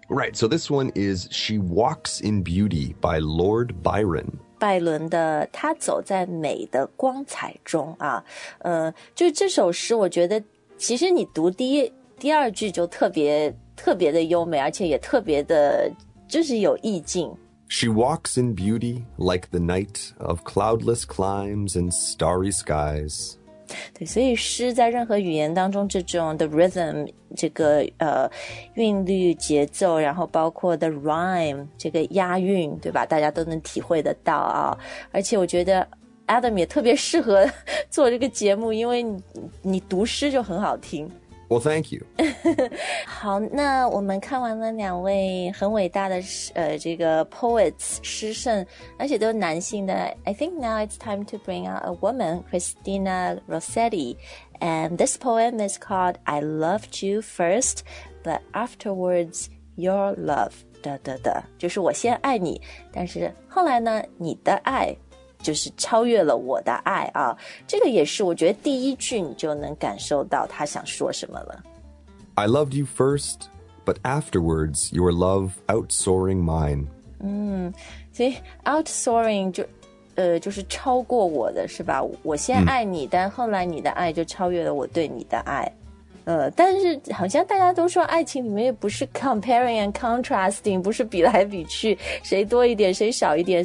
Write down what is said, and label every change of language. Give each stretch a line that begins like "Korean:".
English: Right, so this one is She Walks in Beauty by Lord Byron.
Chinese: 拜伦的他走在美的光彩中啊，就这首诗我觉得其实你读第二句就特别特别的优美，而且也特别的就是有意境。
English: She walks in beauty like the night of cloudless climes and starry skies.
Chinese: 对，所以诗在任何语言当中这种 the rhythm 这个韵律节奏，然后包括 the rhyme 这个押韵，对吧，大家都能体会得到啊。而且我觉得 Adam 也特别适合做这个节目，因为 你读诗就很好听。
English: Well, thank you.
Chinese: 好，那我们看完了两位很伟大的这个 poets 诗圣，而且都是男性的。
English: I think now it's time to bring out a woman, Christina Rossetti. And this poem is called I Loved You First, But Afterwards Your Love.
Chinese: 就是我先爱你，但是后来呢，你的爱就是超越了我的爱啊，这个也是我觉得第一句你就能感受到他想说什么了。
English: I loved you first, but afterwards your love outsoaring mine.
Chinese: 所以 outsoaring 就是超过我的是吧？我先爱你，但后来你的爱就超越了我对你的爱。但是好像大家都说爱情里面也不是
English: comparing and contrasting,
Chinese: 不是比来比去谁多一点谁少一点。